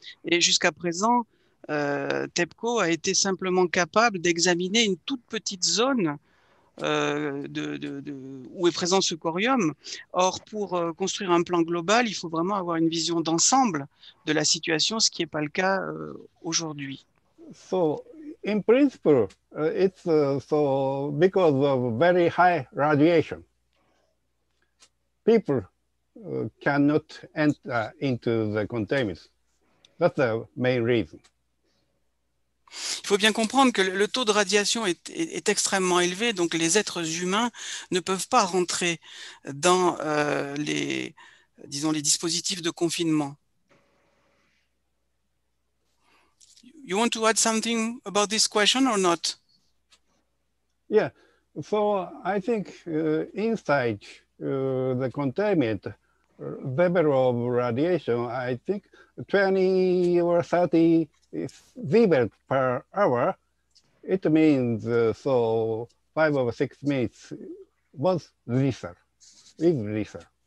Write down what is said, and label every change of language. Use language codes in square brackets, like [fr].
[fr] Et jusqu'à présent, TEPCO a été simplement capable d'examiner une toute petite zone où est présent ce corium. Or, pour construire un plan global, il faut vraiment avoir une vision d'ensemble de la situation, ce qui n'est pas le cas aujourd'hui. [en] So, in principle, it's so because of very high radiation, people cannot enter into the containment. That's the main reason. [fr] Il faut bien comprendre que le taux de radiation est extrêmement élevé, donc les êtres humains ne peuvent pas rentrer dans les dispositifs de confinement. [en] You want to add something about this question or not? Yeah, so I think inside the containment, level of radiation, I think 20 or 30 sieverts per hour, it means 5 or 6 minutes was lethal, is lethal.